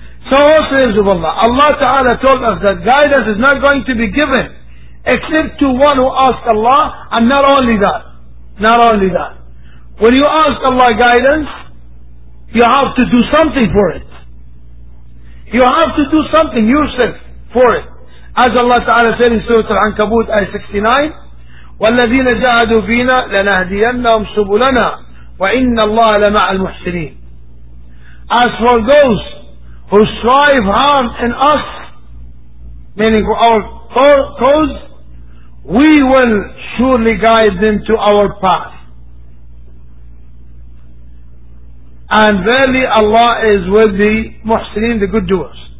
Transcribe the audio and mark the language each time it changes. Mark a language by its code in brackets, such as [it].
[en] So says of Allah, Allah Ta'ala told us that guidance is not going to be given except to one who asks Allah, and not only that. When you ask Allah guidance, you have to do something for it. You have to do something yourself for it. As Allah Ta'ala said in Surah Al-Ankabut, ayah 69, [ar] وَالَّذِينَ جَاهَدُوا فِينَا لَنَهْدِيَنَّهُمْ سُبُلَنَا وَإِنَّ اللَّهَ لَمَعَ الْمُحْسِنِينَ. [en] As for those who strive hard in us, meaning our cause, we will surely guide them to our path. And verily Allah is with the muhsinin, the good doers.